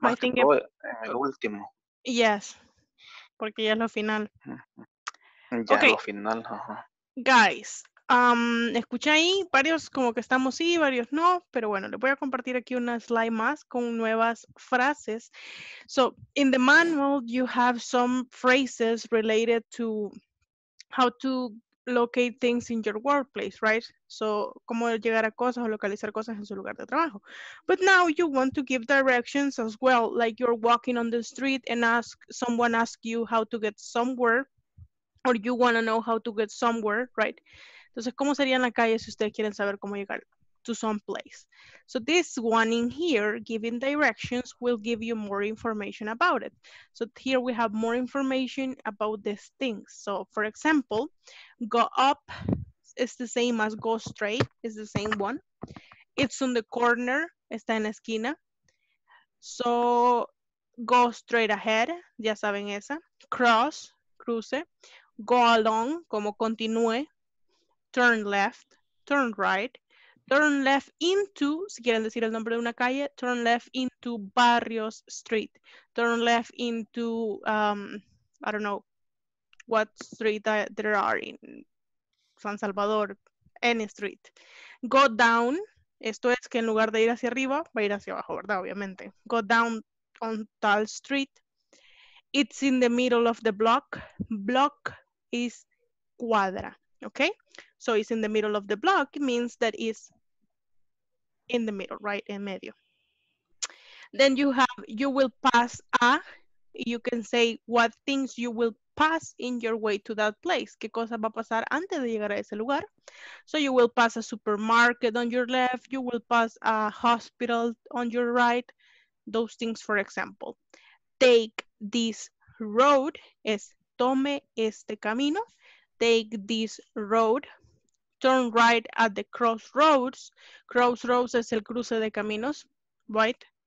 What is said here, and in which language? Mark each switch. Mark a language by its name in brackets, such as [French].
[Spanish] más [English] I think [Spanish] que todo en el último. Yes. Porque ya es lo final. Ya okay. Es lo final. Ajá. Guys, escuché ahí varios como que estamos sí, varios no. Pero bueno, les voy a compartir aquí una slide más con nuevas frases. [English] So, in the manual, you have some phrases related to how to locate things in your workplace, right? [Spanish] So, cómo llegar a cosas o localizar cosas en su lugar de trabajo. [English] But now you want to give directions as well, like you're walking on the street and someone ask you how to get somewhere, or you want to know how to get somewhere, right? [Spanish] Entonces, ¿cómo sería en la calle si ustedes quieren saber cómo llegar [English] to some place? So this one in here, giving directions, will give you more information about it. So here we have more information about these things. So for example, go up is the same as go straight, is the same one. It's on the corner, [Spanish] está en la esquina. [English] So go straight ahead, [Spanish] ya saben esa. [English] Cross, cruce. Go along, como continúe. Turn left, turn right. Turn left into, [Spanish] si quieren decir el nombre de una calle, [English] turn left into Barrios Street. Turn left into, I don't know, what street there are in San Salvador, any street. [Spanish] Go down, esto es que en lugar de ir hacia arriba, va a ir hacia abajo, ¿verdad? [English] Obviamente. Go down on tal street. It's in the middle of the block. Block is cuadra, okay? So it's in the middle of the block, it means that it's in the middle, right? En medio. Then you will pass a, you can say what things you will pass in your way to that place. [Spanish] ¿Qué cosa va a pasar antes de llegar a ese lugar? [English] So you will pass a supermarket on your left, you will pass a hospital on your right, those things for example. Take this road, [Spanish] es tome este camino, [English] take this road. Turn right at the crossroads. Crossroads [Spanish] es el cruce de caminos, [English] right?